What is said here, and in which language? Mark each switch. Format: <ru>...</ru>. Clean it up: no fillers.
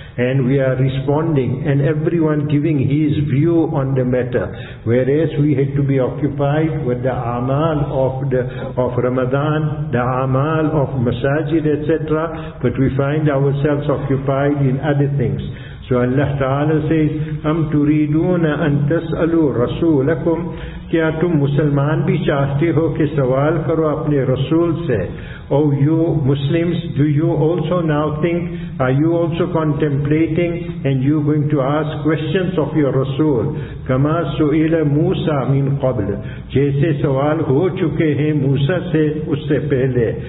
<en>And we are responding, and everyone giving his view on the matter. Whereas we had to be occupied with the amal of Ramadan, the amal of masajid, etc. But we find ourselves occupied in other things. So Allah Ta'ala says,</en> <ar>أَمْ تُرِيدُونَ أَن تَسْأَلُوا رَسُولَكُمْ.</ar> <ur>Kya tum musalman bhi chahte ho ke sawal karo apne rasool se?</ur> <en>Oh, you Muslims, do you also now think, are you also contemplating, and you going to ask questions of your rasool?</en> <ar>Kama su'ila Musa min qabl.</ar> <ur>Jaise sawal ho chuke hain Musa se usse pehle.</ur>